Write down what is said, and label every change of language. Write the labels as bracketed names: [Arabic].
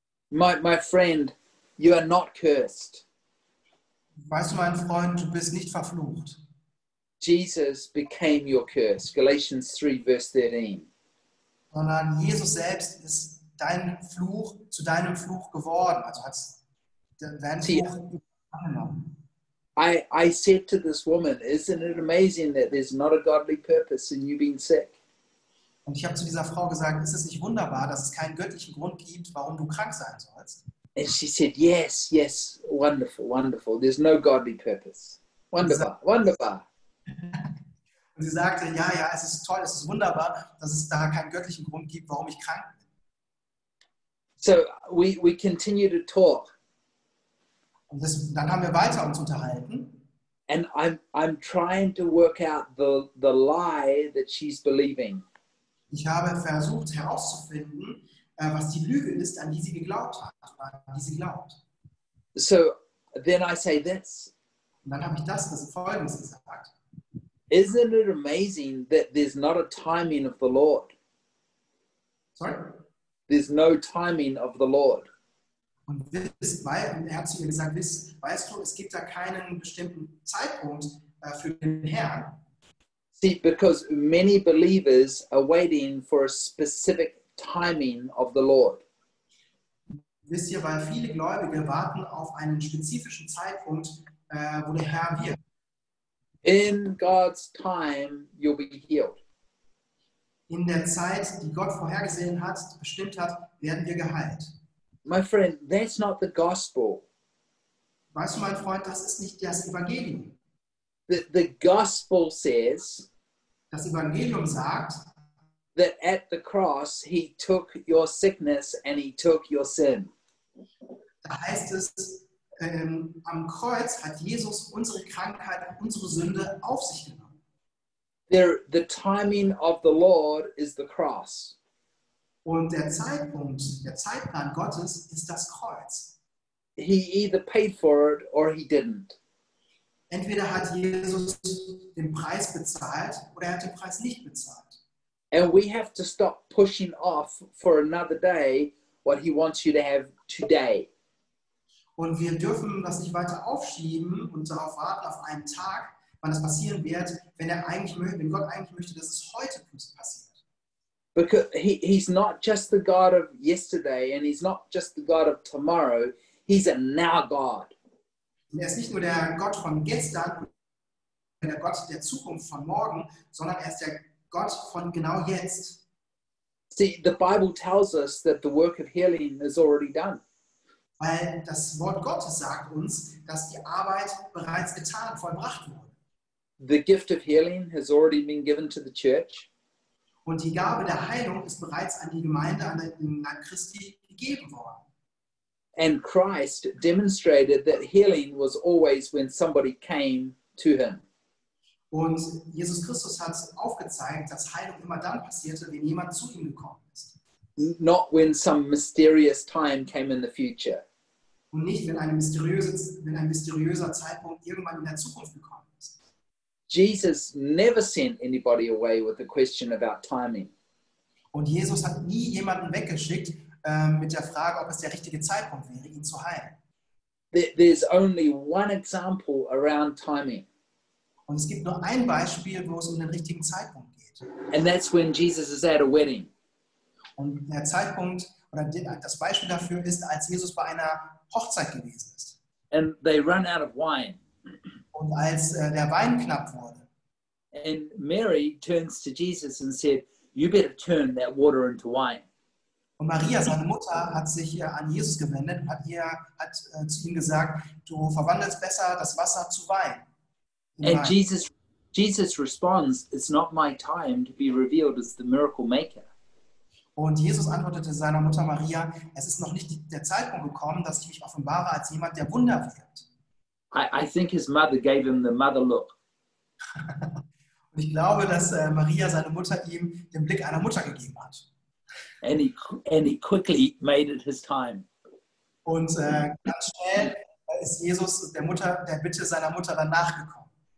[English] My friend, you are not cursed. [German] Weißt du, mein Freund, du bist nicht verflucht. [English] Jesus became your curse, Galatians 3, verse 13. [German] Sondern Jesus selbst ist dein Fluch zu deinem Fluch geworden. Also hat dein Fluch angenommen. [English] I said to this woman, isn't it amazing that there's not a godly purpose in you being sick? [German] Und ich habe zu dieser Frau gesagt, ist es nicht wunderbar, dass es keinen göttlichen Grund gibt, warum du krank sein sollst? [English] And she said, yes, yes, wonderful, wonderful. There's no godly purpose. Wonderful. [German] Und sie sagte, ja, ja, es ist toll, es ist wunderbar, dass es da keinen göttlichen Grund gibt, warum ich krank bin. [English] So we continue to talk. [German] Und dann haben wir weiter uns unterhalten. [English] And I'm trying to work out the lie that she's believing. [German] Ich habe versucht herauszufinden, was die Lüge ist, an die sie geglaubt hat, an die sie glaubt. [English] So, then I say, that's [German] Und dann habe ich das Folgendes gesagt. [English] Isn't it amazing that there's not a timing of the Lord? Sorry? There's no timing of the Lord. [German] Und wisst, weil, er hat zu mir gesagt, weißt du, es gibt da keinen bestimmten Zeitpunkt für den Herrn. [English] See, because many believers are waiting for a specific timing of the Lord. [German] Wisst ihr, weil viele Gläubige warten auf einen spezifischen Zeitpunkt, wo der Herr wird. [English] In God's time, you'll be healed. [German] In der Zeit, die Gott vorhergesehen hat, bestimmt hat, werden wir geheilt. [English] My friend, that's not the gospel. [German] Weißt du, mein Freund, das ist nicht das Evangelium. [English] The gospel says, [German] das Evangelium sagt, [English] that at the cross he took your sickness and he took your sin. [German] Da heißt es, am Kreuz hat Jesus unsere Krankheit und unsere Sünde auf sich genommen. [English] The timing of the Lord is the cross. [German] Und der Zeitplan Gottes ist das Kreuz. [English] He either paid for it or he didn't. [German] Entweder hat Jesus den Preis bezahlt oder er hat den Preis nicht bezahlt. [English] And we have to stop pushing off for another day what he wants you to have today. [German] Und wir dürfen das nicht weiter aufschieben und darauf warten auf einen Tag, wann es passieren wird, wenn Gott eigentlich möchte, dass es heute passiert. [English] Because he's not just the God of yesterday and he's not just the God of tomorrow, he's a now God. [German] Er ist nicht nur der Gott von gestern, der Gott der Zukunft von morgen, sondern er ist der Gott von genau jetzt. [English] See, the Bible tells us that the work of healing is already done. [German] Weil das Wort Gottes sagt uns, dass die Arbeit bereits getan, vollbracht wurde. [English] The gift of healing has already been given to the church. [German] Und die Gabe der Heilung ist bereits an die Gemeinde, an den Christi gegeben worden. [English] And Christ demonstrated that healing was always when somebody came to him. [German] Und Jesus Christus hat aufgezeigt, dass Heilung immer dann passierte, wenn jemand zu ihm gekommen ist. [English] Not when some mysterious time came in the future. [German] Und nicht, wenn ein mysteriöser Zeitpunkt irgendwann in der Zukunft gekommen ist. [English] Jesus never sent anybody away with a question about timing. [German] Und Jesus hat nie jemanden weggeschickt, mit der Frage, ob es der richtige Zeitpunkt wäre, ihn zu heilen. [English] There's only one example around timing. [German] Und es gibt nur ein Beispiel, wo es um den richtigen Zeitpunkt geht. [English] And that's when Jesus is at a wedding. [German] Und der Zeitpunkt oder das Beispiel dafür ist, als Jesus bei einer Hochzeit gewesen ist. [English] And they run out of wine. [German] Und als der Wein knapp wurde. [English] And Mary turns to Jesus and said, "You better turn that water into wine." [German] Und Maria, seine Mutter, hat sich an Jesus gewendet und hat zu ihm gesagt, du verwandelst besser das Wasser zu Wein. [English] And Jesus responds, it's not my time to be revealed as the miracle maker. [German] Und Jesus antwortete seiner Mutter Maria, es ist noch nicht der Zeitpunkt gekommen, dass ich mich offenbare als jemand, der Wunder wirkt. [English] I think his mother gave him the mother look. [German] Und ich glaube, dass Maria, seine Mutter, ihm den Blick einer Mutter gegeben hat. [English] And he quickly made it his time. [German] Und ganz schnell ist Jesus der Bitte seiner Mutter dann nachgekommen.